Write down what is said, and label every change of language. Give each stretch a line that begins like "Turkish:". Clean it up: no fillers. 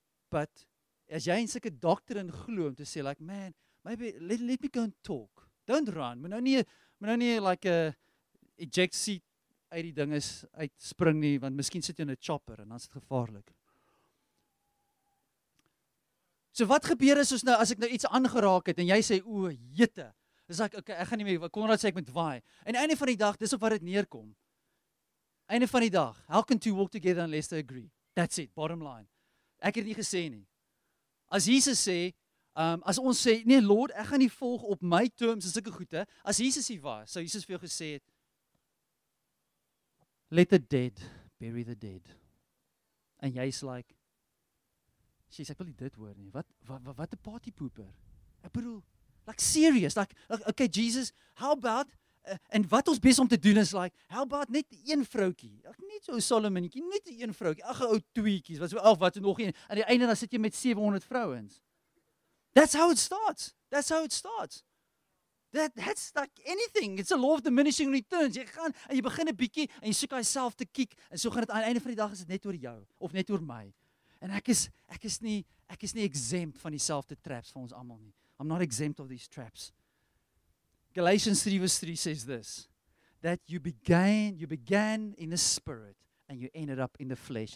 English: But,
Afrikaans: as jy in sulke doctrine glo, om te sê,
English: like, man, maybe, let me go and talk. Don't run.
Afrikaans: Moet nou nie, like, eject seat uit die ding is, uitspring nie, want miskien sit jy in 'n chopper, en dan is het gevaarlik. So wat gebeur is ons nou, as ek nou iets aangeraak het, en jy sê, o, jete, is ek, okay, ek gaan nie meer, Konrad sê ek moet waai. En einde van die dag, dis op wat het neerkom. Einde van die dag,
English: how can two walk together unless they agree? That's it, bottom line.
Afrikaans: Ek het nie gesê nie. As Jesus sê, as ons sê, nee Lord, ek gaan nie volg op my terms, is ek een goede, as Jesus hier was, so Jesus vir jou gesê het,
English: let the dead bury the dead.
Afrikaans: En jy is like, Jesus, ek wil nie dit hoor nie. Wat 'n partypooper. Ek bedoel, like serious. Like, okay, Jesus, how about, en wat ons besig om te doen is like, how about net een vroukie? Net so Solomonkie, net een vroukie. Ag, ou tweetjies. Wat nog een. Aan die einde dan sit jy met 700 vrouens.
English: That's how it starts. That's like anything. It's a law of diminishing returns.
Afrikaans: Jy gaan en jy begin 'n bietjie en jy soek jouself te kiek en so gaan dit aan die einde van die dag is dit net oor jou of net oor my. En ek is nie exempt van dieselfde traps vir ons almal nie.
English: I'm not exempt of these traps. Galatians 3:3 says this, that you began in the spirit and you ended up in the flesh.